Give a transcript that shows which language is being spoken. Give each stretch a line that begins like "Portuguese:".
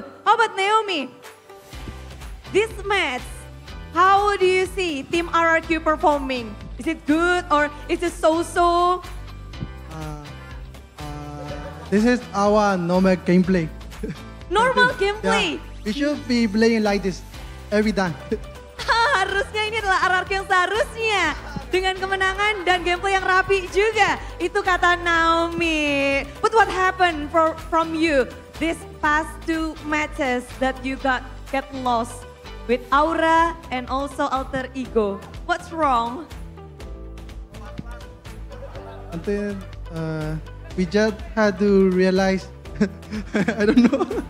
English: Obat Naomi, this match, how do you see tim RRQ performing? Is it good or is it so-so? This is our normal gameplay. Normal gameplay? Yeah, we should be playing like this every time.
Indonesian: Harusnya ini adalah RRQ yang seharusnya. Dengan kemenangan dan gameplay yang rapi juga. Itu kata Naomi.
English: But what happened from you this past two matches that you got get lost with Aura and also Alter Ego? What's wrong? And then we just had to realize, I don't know.